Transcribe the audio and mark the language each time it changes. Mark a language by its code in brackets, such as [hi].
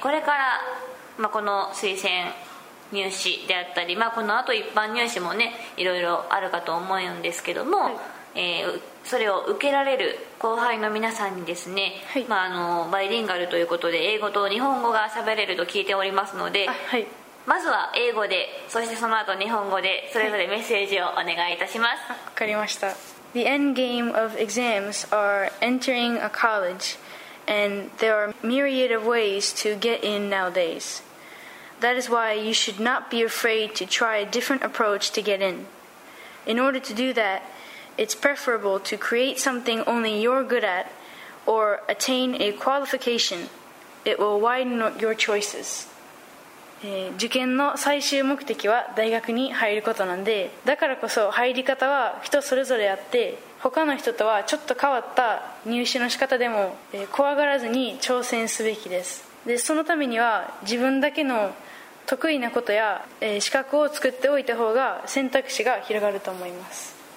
[ja] これから、まあ、この推薦入試であったり、まあ、このあと一般入試もねいろいろあるかと思うんですけども、はい、それを受けられる後輩の皆さんにですね、はい、まあ、バイリンガルということで英語と日本語が喋れると聞いておりますので、はい、まずは英語で、そしてその後日本語でそれぞれメッセージをお願いいたします。わかりました。 [en] The end game of exams are entering a college, and there are myriad of ways to get in nowadays. That is why you should not be afraid to try a different approach to get in. In order to do thatIt's preferable to create something only you're good at or attain a qualification. It will widen your choices. [ja] 受験の最終目的は大学に入ることなんで、だからこそ入り方は人それぞれあって、他の人とはちょっと変わった入試の仕方でも、怖がらずに挑戦すべきです。で、そのためには自分だけの得意なことや、資格を作っておいた方が選択肢が広がると思います。